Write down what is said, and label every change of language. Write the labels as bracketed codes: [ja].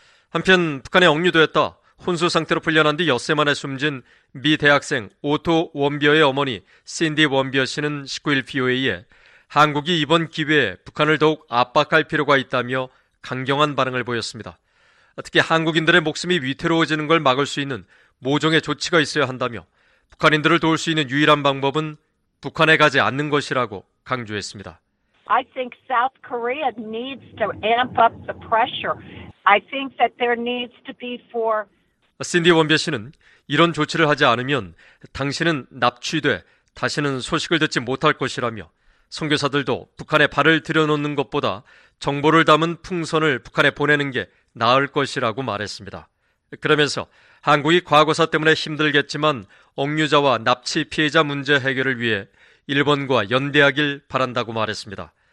[ko] 한편 북한에 억류되었다 혼수 상태로 풀려난 뒤 엿새 만에 숨진 미 대학생 오토 원비어의 어머니 신디 원비어 씨는 19일 VOA에 한국이 이번 기회에 북한을 더욱 압박할 필요가 있다며 강경한 반응을 보였습니다. 특히 한국인들의 목숨이 위태로워지는 걸 막을 수 있는 모종의 조치가 있어야 한다며 북한인들을 도울 수 있는 유일한 방법은 북한에 가지 않는 것이라고 강조했습니다. [en] I think South Korea needs to amp up the pressure. I think that there needs to be for. [ko] 신디 원비 씨는 이런 조치를 하지 않으면 당신은 납치돼 다시는 소식을 듣지 못할 것이라며 선교사들도 북한에 발을 들여놓는 것보다 정보를 담은 풍선을 북한에 보내는 게 나을 것이라고 말했습니다. 그러면서 한국이 과거사 때문에 힘들겠지만 억류자와 납치 피해자 문제 해결을 위해 일본과 연대하길 바란다고 말했습니다.